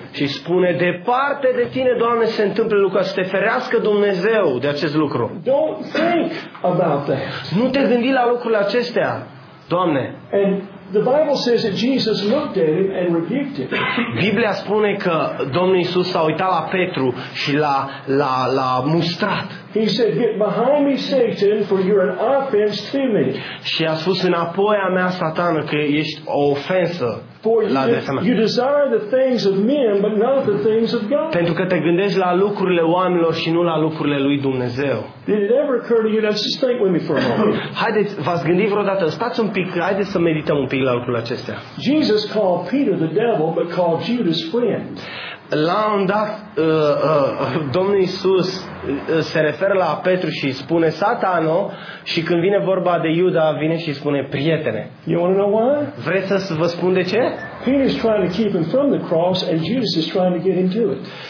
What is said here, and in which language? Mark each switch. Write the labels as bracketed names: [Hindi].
[Romanian] Și spune, departe de tine, Doamne, se întâmplă lucrul ăsta, să te ferească Dumnezeu de acest lucru. [English] Don't think about that. [Romanian] Nu te gândi la lucrurile acestea, Doamne. [English] And The Bible says that Jesus looked at him and rebuked him. [Romanian] Biblia spune că Domnul Iisus s-a uitat la Petru și l-a mustrat. [English] He said, "Get behind me, Satan, for you're an offense to me." [Romanian] Și a spus înapoi a mea, Satană, că ești o ofensă. [English] You desire the things of men, but not the things of God. [Romanian] Pentru că te gândești la lucrurile oamenilor și nu la lucrurile lui Dumnezeu. [English] Did it ever occur to you? Let's just think with me for a moment. [Romanian] Haideți, v-ați gândit vreodată? Stați un pic. Haideți să medităm un pic la lucrurile acestea. [English] Jesus called Peter the devil, but called Judas friend. [Romanian] La un dat, Domnul Iisus se referă la Petru și spune Satano, și când vine vorba de Iuda, vine și spune prietene. [English] You want to know why? [Romanian] Vreți să vă spun de ce? [English] Peter is trying to keep him from the cross and Judas is trying to get him to it.